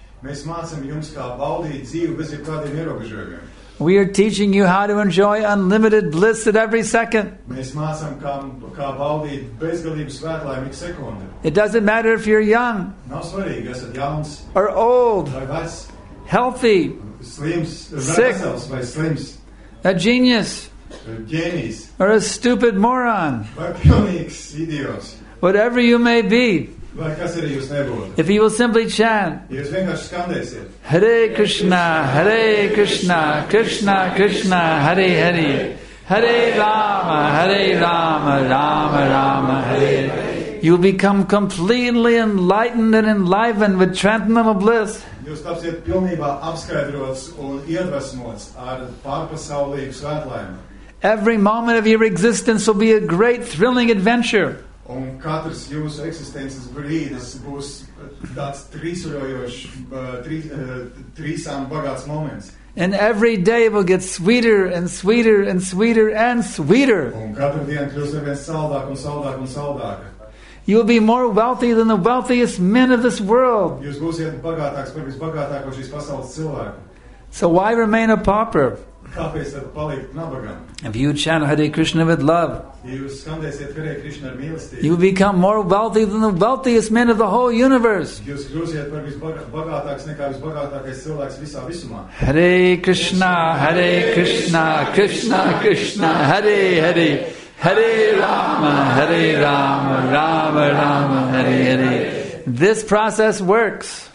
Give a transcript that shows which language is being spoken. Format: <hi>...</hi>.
<lv>Mēs mācam jums, kā baudīt dzīvi bez jebkādiem ierobežojumiem.</lv> <en>We are teaching you how to enjoy unlimited bliss at every second.</en> <lv>Mēs mācam, kā baudīt bezgalību svētlaimi ik sekundi.</lv> <en>It doesn't matter if you're young.</en> <lv>Nav svarīgi, esat jauns.</lv> <en>Or old.</en> <lv>Vai vecs.</lv> <en>Healthy.</en> <lv>Slims.</lv> <en>Sick.</en> <lv>Vai slims.</lv> <en>A genius.</en> <lv>Genies.</lv> <en>Or a stupid moron.</en> <lv>Vai pilnīgs idiots.</lv> <en>Whatever you may be.</en> <lv>Vai,</lv> <en>if you will simply chant, Hare Krishna, Hare Krishna, Krishna Krishna, Hare Hare.</en> <sa>Hare Rama, Hare Rama, Rama Rama, Hare Hare.</sa> <en>You will become completely enlightened and enlivened with transcendental bliss.</en> <lv>Jūs tapsiet pilnībā apskaidrots un iedvesmots ar pārpasaulīgu svētlaimi.</lv> <en>Every moment of your existence will be a great thrilling adventure.</en> <lv>Un katrs jūsu eksistences brīdis būs tāds trīsam bagāts moments.</lv> <en>And every day will get sweeter and sweeter and sweeter and sweeter.</en> <lv>Un katru dienu kļūs arvien saldāk un saldāk un saldāk.</lv> <en>You will be more wealthy than the wealthiest men of this world.</en> <lv>Jūs būsiet bagātāks par visbagātāko šīs pasaules cilvēku.</lv> <en>So why remain a pauper?</en> <lv>Kāpēc tad palikt nabagam?</lv> <en>If you chant Hare Krishna with love,</en> <lv>jūs skandēsiet Hare Krishna ar mīlestību,</lv> <en>you become more wealthy than the wealthiest man of the whole universe.</en> <lv>Jūs kļūsiet par visbagātāks nekā visbagātākais cilvēks visā visumā.</lv> <sa>Hare Krishna, Hare Krishna, Krishna Krishna, Hare Hare, Hare Rama, Hare Rama, Rama Rama, Hare Hare.</sa> <en>This process works.</en>